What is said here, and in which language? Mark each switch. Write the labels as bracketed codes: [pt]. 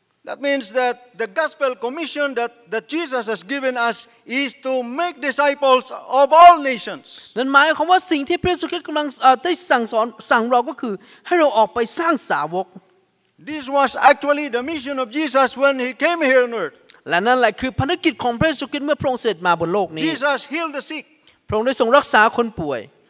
[en] That means that the gospel commission that Jesus has given us is to make disciples of all nations. [th] นั่นหมายความว่าสิ่งที่พระเยซูคริสต์กำลังได้สั่งสอนสั่งเราก็คือให้เราออกไปสร้างสาวก [en] This was actually the mission of Jesus when he came here on earth. [th] และนั่นแหละคือภารกิจของพระเยซูคริสต์เมื่อพระองค์เสด็จมาบนโลกนี้ [en] Jesus healed the sick. [th] พระองค์ได้ทรงรักษาคนป่วย